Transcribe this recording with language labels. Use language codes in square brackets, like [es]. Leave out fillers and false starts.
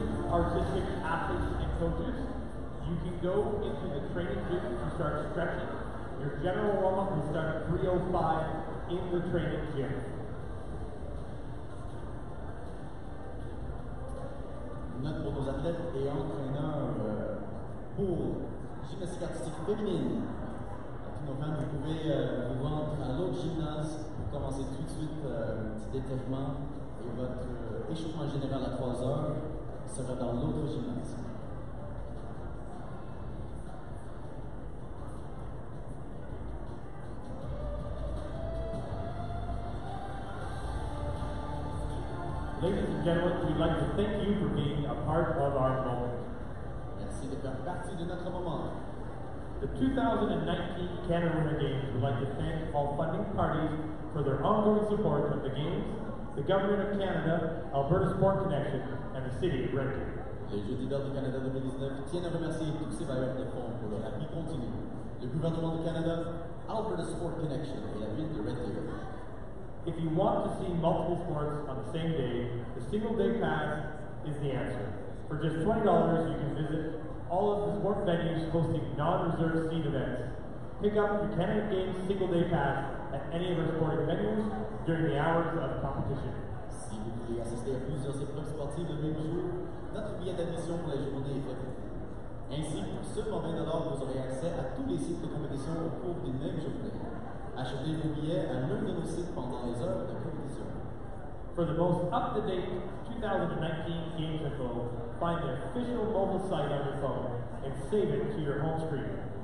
[en] Artistic athletes and coaches, you can go into the training gym and start stretching. Your general warm-up will start at 3:05 in the training gym. [fr] Note pour nos athlètes et entraîneurs pour gymnastique artistique féminine. À tout moment, vous pouvez vous rendre à l'autre gymnase pour commencer tout de suite un petit étirement et votre échauffement général à 3 heures sera dans l'autre gymnase. [en] Ladies and gentlemen, we'd like to thank you for being a part of our moment. [fr] Merci de faire partie de notre moment. [en] The 2019 Canada Winter Games would like to thank all funding parties for their ongoing support of the Games, the Government of Canada, Alberta Sport Connection, and the City of Brampton. [fr] Les Jeux d'hiver du Canada 2019 tiennent à remercier tous ces bailleurs de fonds pour leur appui continu. Le gouvernement du Canada, Alberta Sport Connection et la ville de Brampton. [en] If you want to see multiple sports on the same day, the single day pass is the answer. For just $20, you can visit all of the sport venues hosting non-reserved seat events. Pick up your Canada Games single day pass at any of our sporting venues during the hours of the competition. [fr] Si vous voulez assister à plusieurs épreuves sportives le même jour, notre billet d'admission pour la journée est fait. Ainsi, pour seulement $20, vous aurez accès à tous les sites de compétition au cours des mêmes journées. Achetez vos billets à l'un de nos sites pendant les heures de compétition. [en] For the most up-to-date 2019 Games info, find the official mobile site on your phone and save it to your home screen.